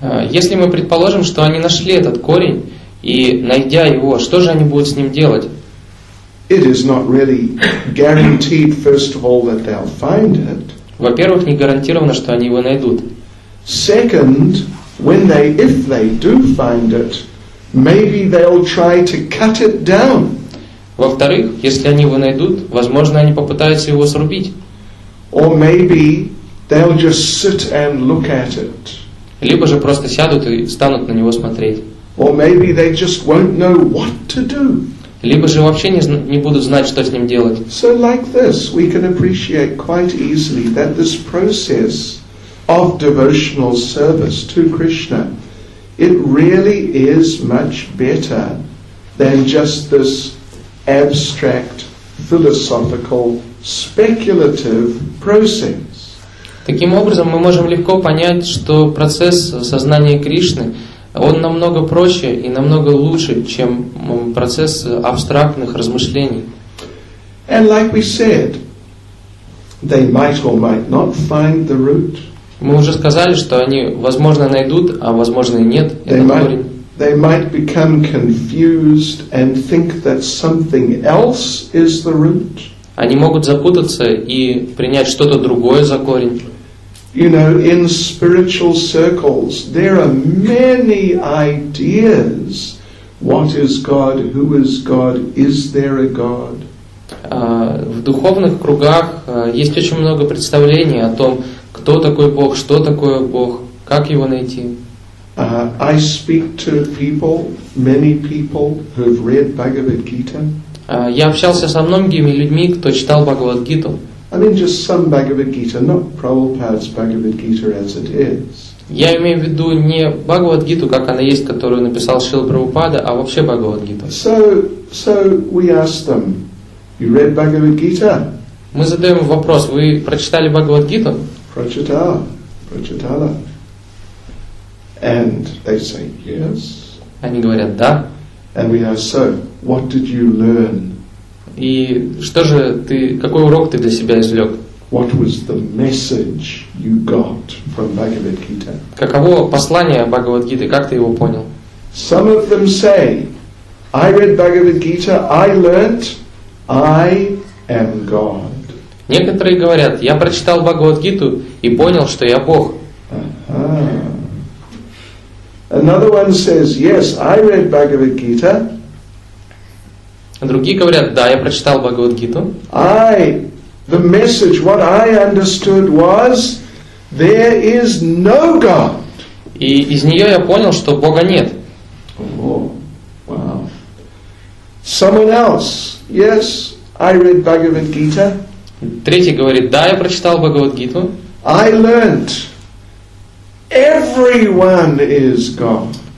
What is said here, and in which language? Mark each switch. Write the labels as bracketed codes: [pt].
[ru] Если мы предположим, что они нашли этот корень, и найдя его, что же они будут с ним делать? [en] It is not really guaranteed, first of all, that they'll find it. [ru] Во-первых, не гарантировано, что они его найдут. [en] Second, if they do find it, maybe they'll try to cut it down. [ru] Во-вторых, если они его найдут, возможно, они попытаются его срубить. [en] Or maybe they'll just sit and look at it. [ru] Либо же просто сядут и станут на него смотреть. [en] Or maybe they just won't know what to do. [ru] Либо же вообще не будут знать, что с ним делать. [en] So like this, we can appreciate quite easily that this process of devotional service to Krishna, it really is much better than just this abstract, philosophical, speculative process. [ru] Таким образом, мы можем легко понять, что процесс сознания Кришны, он намного проще и намного лучше, чем процесс абстрактных размышлений. [en] And like we said, they might or might not find the root. [ru] Мы уже сказали, что они, возможно, найдут, а возможно и нет. [en] They might become confused and think that something else is the root. [ru] Они могут запутаться и принять что-то другое за корень. [en] You know, in spiritual circles, there are many ideas. What is God? Who is God? Is there a God? [ru] В духовных кругах есть очень много представлений о том, кто такой Бог, что такое Бог, как его найти. [en] I speak to people, many people who've read Bhagavad Gita. [ru] Я общался со многими людьми, кто читал Бхагавад Гиту. [en] I mean just some Bhagavad Gita, not Prabhupada's Bhagavad Gita as it is. [ru] Я имею в виду не Бхагавад Гиту, как она есть, которую написал Шрила Прабхупада, а вообще Бхагавад Гиту. [en] So we ask them, you read Bhagavad Gita? [ru] Мы задаем вопрос, вы прочитали Бхагавад Гиту? Прочитала. [en] And they say yes. [ru] Они говорят да. [en] And we ask, so what did you learn? [ru] И что же ты, какой урок ты для себя извлек? [en] What was the message you got from Bhagavad Gita? [ru] Каково послание Бхагавад Гиты, как ты его понял? [en] Some of them say, I read Bhagavad Gita, I learned, I am God. [ru] Некоторые говорят, я прочитал Бхагавад-гиту и понял, что я Бог. [en] Another one says, yes, I read Bhagavad-gita. [ru] Другие говорят, да, я прочитал Бхагавад-гиту. [en] The message, what I understood was, there is no God. [ru] И из нее я понял, что Бога нет. [en] Wow. Someone else, yes, I read Bhagavad-gita. [ru] Третий говорит, да, я прочитал Бхагавад-гиту. [en] I learned everyone is God.